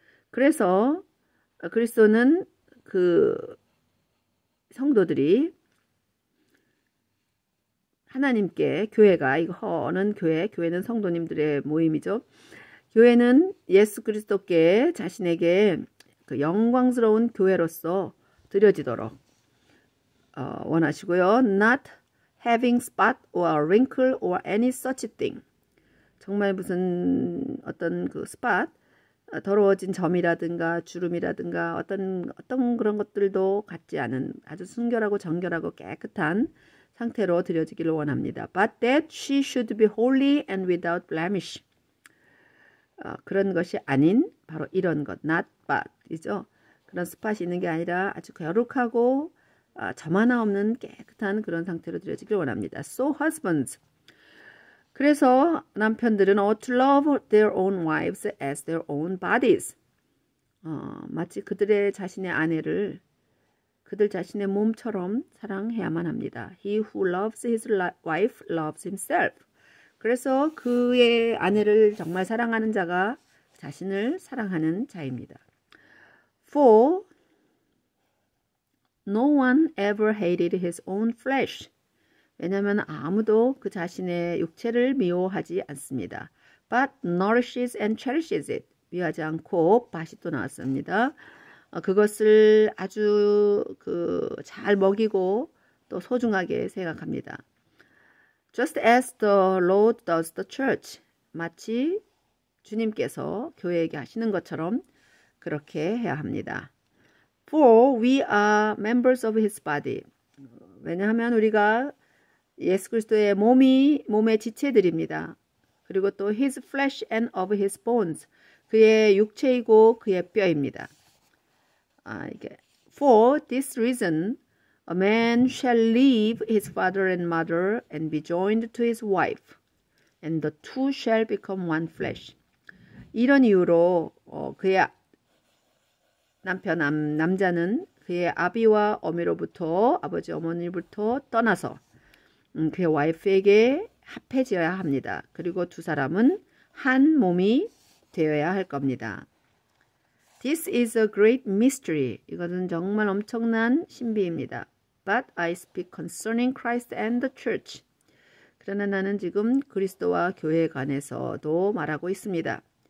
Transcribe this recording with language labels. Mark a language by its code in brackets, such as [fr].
[ko] 그래서 그리스도는 그 성도들이 하나님께 교회가 이거 허는 교회, 교회는 성도님들의 모임이죠. 교회는 예수 그리스도께 자신에게 그 영광스러운 교회로서 드려지도록 원하시고요. [en] Not having spot or wrinkle or any such thing. [ko] 정말 무슨 어떤 그 spot, 더러워진 점이라든가 주름이라든가 어떤 그런 것들도 갖지 않은 아주 순결하고 정결하고 깨끗한 상태로 드려지기를 원합니다. [en] But that she should be holy and without blemish. [ko] 그런 것이 아닌 바로 이런 것, [en] not spot [ko] 이죠. 그런 스팟이 있는 게 아니라 아주 거룩하고 점 하나 없는 깨끗한 그런 상태로 드려지길 원합니다. [en] So husbands, [ko] 그래서 남편들은 [en] ought to love their own wives as their own bodies. [ko] 마치 그들의 자신의 아내를 그들 자신의 몸처럼 사랑해야만 합니다. [en] He who loves his wife loves himself. [ko] 그래서 그의 아내를 정말 사랑하는 자가 자신을 사랑하는 자입니다. [en] For no one ever hated his own flesh. [ko] 왜냐하면 아무도 그 자신의 육체를 미워하지 않습니다. [en] But nourishes and cherishes it. [ko] 미워하지 않고 다시 또 나왔습니다. 그것을 아주 그잘 먹이고 또 소중하게 생각합니다. [en] Just as the Lord does the church. [ko] 마치 주님께서 교회에게 하시는 것처럼 그렇게 해야 합니다. [en] For we are members of his body. [ko] 왜냐하면 우리가 예수 그리스도의 몸이 몸의 지체들입니다. 그리고 또 [en] his flesh and of his bones. [ko] 그의 육체이고 그의 뼈입니다. 이게 [en] For this reason, a man shall leave his father and mother and be joined to his wife, and the two shall become one flesh. [ko] 이런 이유로 그의 남편 남자는 그의 아비와 어미로부터 아버지 어머니부터 떠나서 그의 와이프에게 합해져야 합니다. 그리고 두 사람은 한 몸이 되어야 할 겁니다. [en] This is a great mystery. [ko] 이것은 정말 엄청난 신비입니다. [en] But I speak concerning Christ and the church. [ko] 그러나 나는 지금 그리스도와 교회에 관해서도 말하고 있습니다.